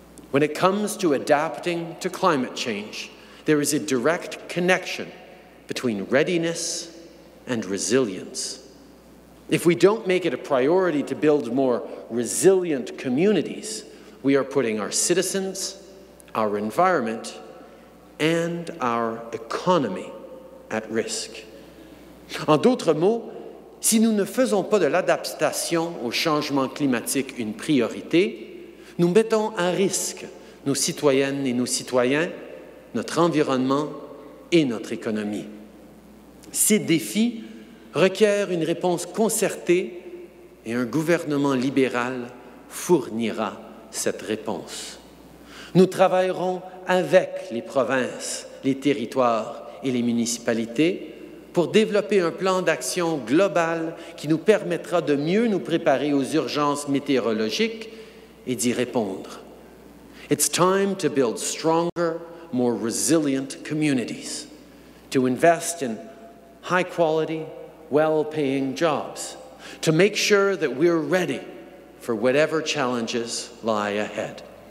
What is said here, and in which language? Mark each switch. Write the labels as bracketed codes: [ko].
[en] When it comes to adapting to climate change, there is a direct connection between readiness and resilience. If we don't make it a priority to build more resilient communities, we are putting our citizens, our environment, and our economy at risk. [fr] En d'autres mots, si nous ne faisons pas de l'adaptation au changement climatique une priorité, nous mettons à risque nos citoyennes et nos citoyens, notre environnement et notre économie. Ces défis requiert une réponse concertée et un gouvernement libéral fournira cette réponse. Nous travaillerons avec les provinces, les territoires et les municipalités pour développer un plan d'action global qui nous permettra de mieux nous préparer aux urgences météorologiques et d'y répondre. [en] It's time to build stronger, more resilient communities, to invest in high quality, well-paying jobs, to make sure that we're ready for whatever challenges lie ahead.